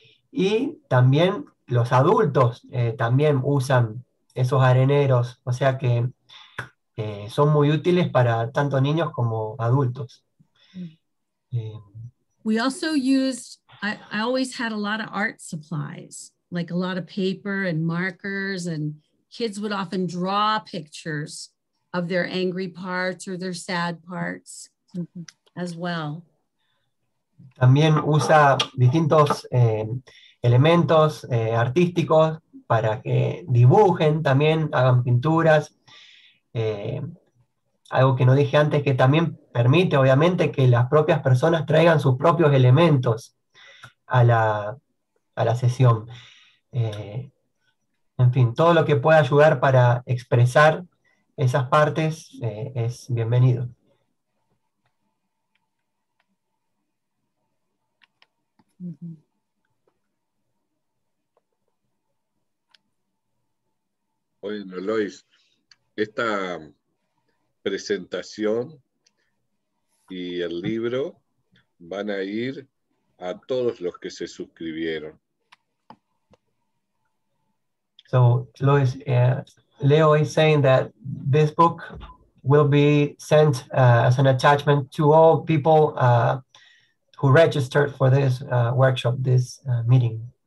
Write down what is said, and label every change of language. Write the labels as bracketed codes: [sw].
[es] Y también los adultos también usan esos areneros, o sea que son muy útiles para tanto niños como adultos. [en] We also used, I always had a lot of art supplies, like a lot of paper and markers, and kids would often draw pictures of their angry parts or their sad parts as well. [es] También usa distintos elementos artísticos para que dibujen, también hagan pinturas. Algo que no dije antes, que también permite, obviamente, que las propias personas traigan sus propios elementos a la sesión. En fin, todo lo que pueda ayudar para expresar esas partes es bienvenido. Bueno, Lois, esta presentación y el libro van a ir a todos los que se suscribieron. [en] So, Lois, Leo is saying that this book will be sent as an attachment to all people who registered for this workshop, this meeting.